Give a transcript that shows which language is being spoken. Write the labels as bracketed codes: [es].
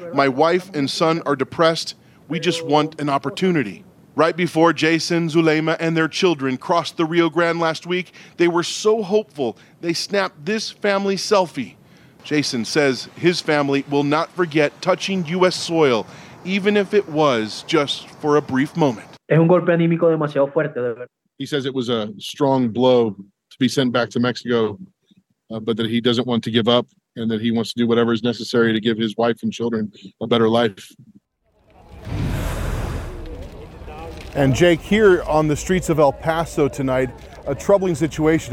[en] My wife and son are depressed. We just want an opportunity. Right before Jason, Zulema, and their children crossed the Rio Grande last week, they were so hopeful they snapped this family selfie. Jason says his family will not forget touching U.S. soil, even if it was just for a brief moment. [es] Es un golpe anímico demasiado fuerte, de verdad. [en] He says it was a strong blow to be sent back to Mexico, but that he doesn't want to give up and that he wants to do whatever is necessary to give his wife and children a better life. And Jake, here on the streets of El Paso tonight, a troubling situation.